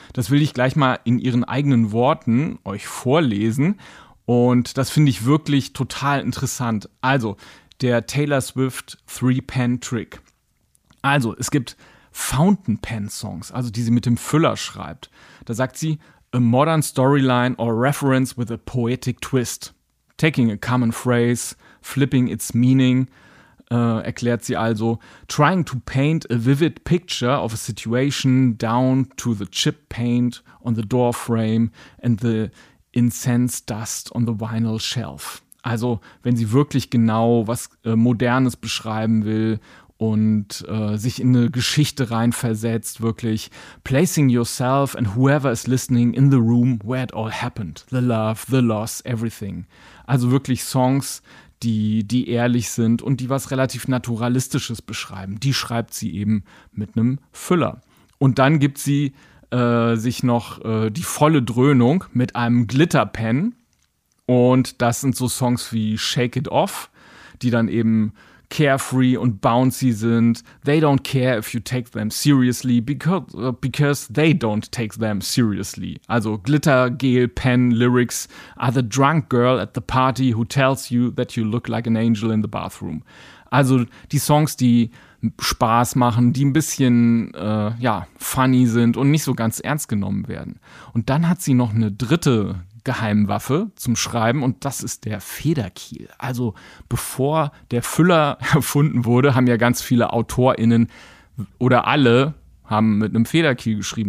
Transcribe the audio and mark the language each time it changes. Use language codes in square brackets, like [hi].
[de] Das will ich gleich mal in ihren eigenen Worten euch vorlesen. Und das finde ich wirklich total interessant. Also, der Taylor Swift Three-Pen-Trick. Also, es gibt Fountain Pen Songs, also die sie mit dem Füller schreibt. Da sagt sie, [en] a modern storyline or reference with a poetic twist. Taking a common phrase, flipping its meaning, [de] erklärt sie also, [en] trying to paint a vivid picture of a situation down to the chip paint on the door frame and the incense dust on the vinyl shelf. [de] Also, wenn sie wirklich genau was Modernes beschreiben will, und sich in eine Geschichte reinversetzt, wirklich. [en] Placing yourself and whoever is listening in the room where it all happened. The love, the loss, everything. [de] Also wirklich Songs, die ehrlich sind und die was relativ Naturalistisches beschreiben. Die schreibt sie eben mit einem Füller. Und dann gibt sie sich noch die volle Dröhnung mit einem Glitterpen. Und das sind so Songs wie Shake It Off, die dann eben carefree und bouncy sind. [en] They don't care if you take them seriously because they don't take them seriously. Also Glitter, Gel, Pen, Lyrics are the drunk girl at the party who tells you that you look like an angel in the bathroom. [de] Also die Songs, die Spaß machen, die ein bisschen funny sind und nicht so ganz ernst genommen werden. Und dann hat sie noch eine dritte Geheimwaffe zum Schreiben, und das ist der Federkiel. Also bevor der Füller erfunden wurde, haben ja ganz viele AutorInnen oder alle haben mit einem Federkiel geschrieben.